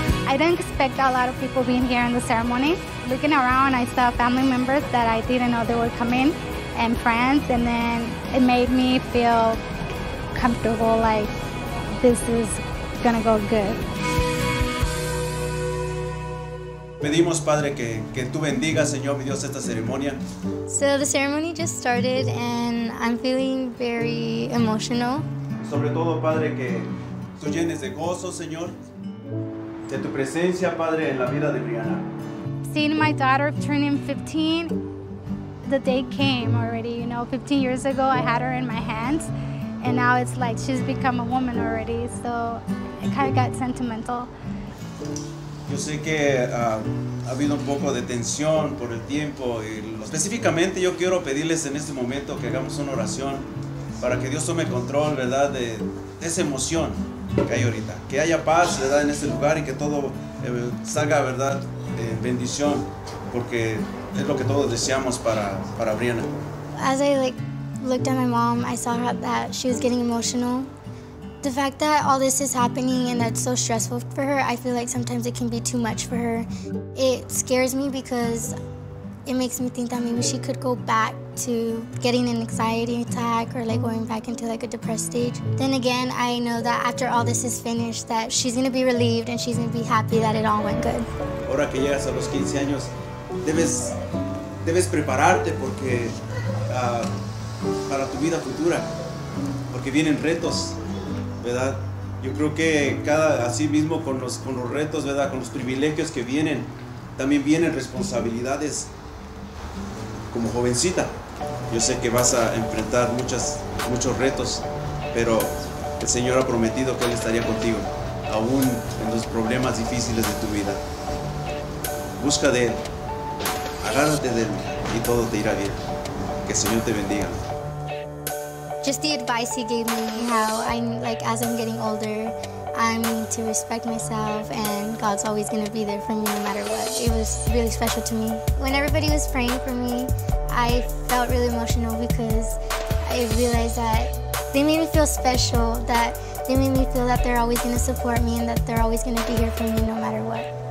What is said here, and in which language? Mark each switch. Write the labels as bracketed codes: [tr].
[en] I didn't expect a lot of people being here in the ceremony. Looking around, I saw family members that I didn't know they would come in, and friends, and then it made me feel comfortable, like this is gonna go good. [es] Pedimos, Padre, que tú bendiga, Señor, mi Dios, esta ceremonia. [en] So the ceremony just started, and I'm feeling very emotional. [es] Sobre todo, Padre, que tú llenes de gozo, Señor. De tu presencia, Padre, en la vida de Brianna. [en] Seeing my daughter turning 15, the day came already, you know. 15 years ago, I had her in my hands, and now it's like she's become a woman already, so it kind of got sentimental. [es] Yo sé que ha habido un poco de tensión por el tiempo, y específicamente yo quiero pedirles en este momento que hagamos una oración para que Dios tome control, ¿verdad?, de esa emoción. Que hay ahorita, que haya paz, ¿verdad?, en este lugar y que todo salga, ¿verdad?, bendición, porque es lo que todos deseamos para Brianna. [en] As I like looked at my mom, I saw that she was getting emotional. The fact that all this is happening and that's so stressful for her, I feel like sometimes it can be too much for her. It scares me because it makes me think that maybe she could go back to getting an anxiety attack or like going back into like a depressed stage. Then again, I know that after all this is finished, that she's gonna be relieved and she's gonna be happy that it all went good. [es] Ahora que llegas a los 15 años, debes prepararte porque para tu vida futura, porque vienen retos, ¿verdad? Yo creo que cada así mismo con los retos, ¿verdad? Con los privilegios que vienen, también vienen responsabilidades. Como jovencita, yo sé que vas a enfrentar muchos retos, pero el Señor ha prometido que Él estaría contigo, aún en los problemas difíciles de tu vida. Busca de Él, agárrate de Él, y todo te irá bien. Que el Señor te bendiga. [en] Just the advice He gave me, how I'm, like, as I'm getting older, I'm to respect myself, and God's always gonna be there for me no matter what. It was really special to me. When everybody was praying for me, I felt really emotional because I realized that they made me feel special, that they made me feel that they're always gonna support me and that they're always gonna be here for me no matter what.